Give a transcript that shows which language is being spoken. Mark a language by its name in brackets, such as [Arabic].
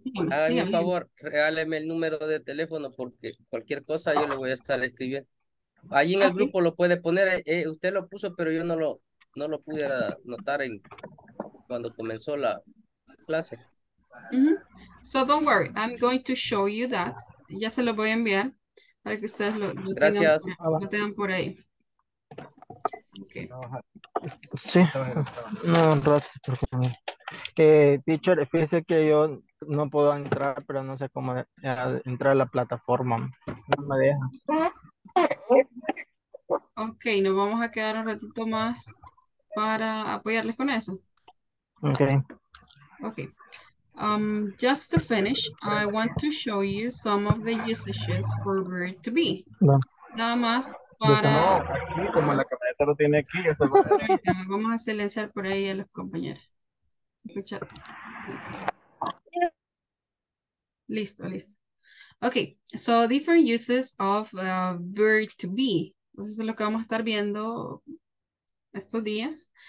[Spanish] Hágame un favor, regáleme el número de teléfono porque cualquier cosa yo lo voy a estar escribiendo. Ahí en el grupo lo puede poner, usted lo puso, pero yo no lo pude notar cuando comenzó la clase. Mm-hmm. [English] So don't worry, I'm going to show you that. [Spanish] Ya se lo voy a enviar para que ustedes lo tengan por ahí. Okay. Sí, no, un rato, por favor. Teacher, fíjese que yo no puedo entrar, pero no sé cómo entrar a la plataforma. No me deja. Ok, nos vamos a quedar un ratito más para apoyarles con eso. Ok. Ok. [English] Just to finish, I want to show you some of the usages for verb to be. [Spanish] No. Nada más. Para... Aquí, como la camioneta lo tiene aquí. Va a... Vamos a silenciar por ahí a los compañeros. Escuchar. Listo, listo. [English] Okay, so different uses of verb to be. [Spanish] Entonces, es lo que vamos a estar viendo estos días.